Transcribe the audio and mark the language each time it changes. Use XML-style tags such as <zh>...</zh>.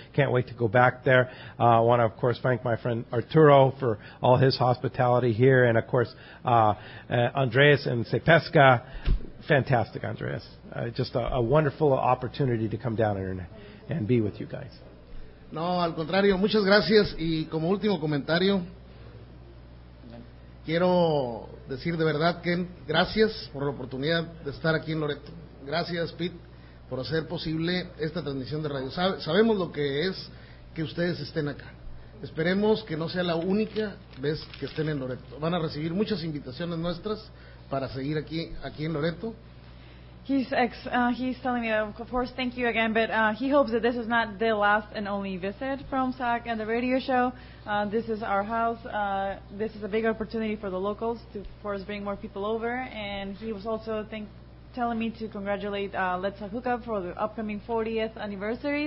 <en>Can't wait to go back there. Want to, of course, thank my friend Arturo for all his hospitality here, and, of course, Andreas and Cepesca. Fantastic, Andreas. Just a wonderful opportunity to come down here and be with you guys.</en> <es>No, al contrario. Muchas gracias. Y como último comentario, quiero decir de verdad que gracias por la oportunidad de estar aquí en Loreto. Gracias, Pete, por hacer posible esta transmisión de radio. Sabemos lo que es que ustedes estén acá. Esperemos que no sea la única vez que estén en Loreto. Van a recibir muchas invitaciones nuestras para seguir aquí en Loreto.</es> <en>He's telling me that, of course, thank you again, but he hopes that this is not the last and only visit from SAC and the radio show. This is our house. This is a big opportunity for the locals to, of course, bring more people over. And he was also telling me to congratulate Let's Talk Hookup for the upcoming 40th anniversary.</en>